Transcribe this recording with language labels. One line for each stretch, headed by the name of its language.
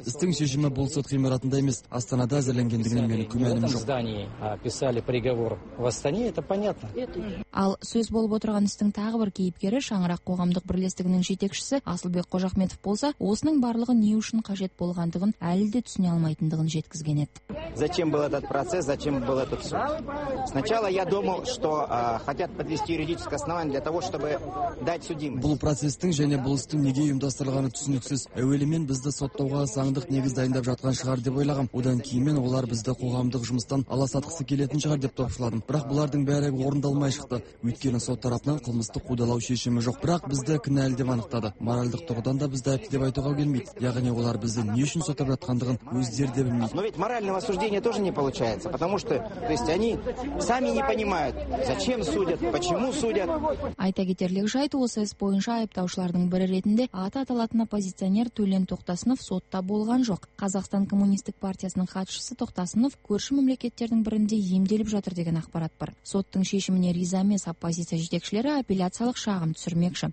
Kazakh: Істің шешімі бұл сот ғимаратында емес, Астанада әзірленгендігінен менің күмәнім жоқ. Ал сөз болып отырған істің тағы бір кейіпкері Шаңырақ қоғамдық бірлестігі жетекшісі Асылбек Қожахметов болса, осының барлығы не үшін қажет болғандығын әлі де түсіне алмайтындығын жеткізген еді.
Russian: Зачем был этот процесс, зачем был этот суд? Сначала я думал, что хотят подвести юридическое основание для того, чтобы дать судимость.
Kazakh: Бұл процестің және бұл істің неге ұйымдастырылғаны түсініксіз. Әуелімен бізді соттауға заңдық негіз дайындап жатқан шығар деп ойлағам. Одан кейін мен олар бізді қоғамдық жұмыстан аласатқысы келетін шығар деп топшыладым. Бірақ бұлардың бәрі орындалмай шықты. Өйткені сот тарапынан қылмыстық қудалау шешімі жоқ. Бірақ бізді кінәлі деп анықтады. Моральдық тұрғыдан да бізді айыпты деп айтуға келмейді. Яғни олар бізді не үшін сотап жатқандығын өздері де білмейді.
Russian: Но ведь моральное осуждение тоже не получается, потому что, то есть они сами не понимают, зачем судят, почему судят.
Kazakh: Айта кетерлік жайт, осы іс бойынша айыптаушылардың бірі ретінде аты аталатын оппозиционер Төлен Тоқтасынов сотта болған жоқ. Қазақстан коммунистік партиясының хатшысы Тоқтасынов көрші мемлекеттердің бірінде емделіп жатыр деген ақпарат бар. Соттың шешіміне риза емес оппозиция жетекшілері апелляциялық шағым түсірмекші.